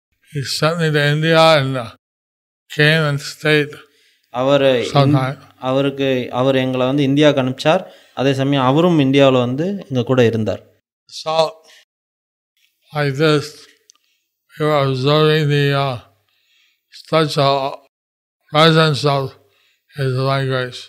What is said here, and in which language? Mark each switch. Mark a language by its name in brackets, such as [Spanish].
[English] He sent me to India and came and stayed. [Tamil] அவர் எங்களை வந்து India அனுப்பிச்சார். அதே சமயம் அவரும் இந்தியாவில் வந்து இங்க கூட இருந்தார். [English] So like this, we were observing the such a presence of His divine grace.